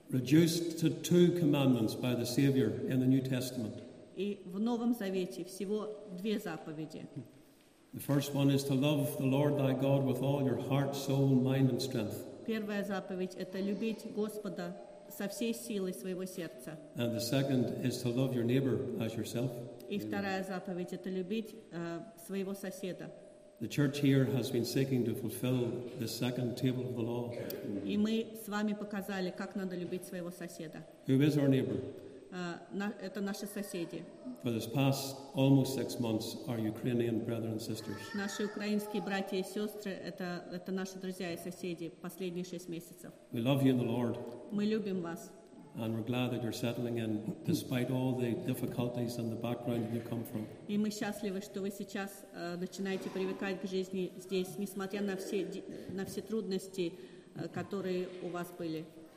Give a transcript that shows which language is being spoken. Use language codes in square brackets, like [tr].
[en] Reduced to 2 commandments by the Savior in the New Testament. [ru] И в Новом Завете всего 2 заповеди. [en] The first one is to love the Lord thy God with all your heart, soul, mind and strength. [ru] Первая заповедь это любить Господа со всей силой своего сердца. [en] And the second is to love your neighbor as yourself. [ru] И вторая заповедь это любить своего соседа. [en] The church here has been seeking to fulfill the second table of the law. [ru] И мы с вами показали, как надо любить своего соседа. [en] Who is our neighbor? [ru] Это наши соседи. [en] For this past almost 6 months, our Ukrainian brothers and sisters. [ru] Наши украинские братья и сестры это наши друзья и соседи последние 6 месяцев. [en] We love you in the Lord. [ru] Мы любим вас. [en] And we're glad that you're settling in, despite all the difficulties and the background you come from. [ru] И мы счастливы, что вы сейчас начинаете привыкать к жизни здесь, несмотря на все трудности, которые у вас были.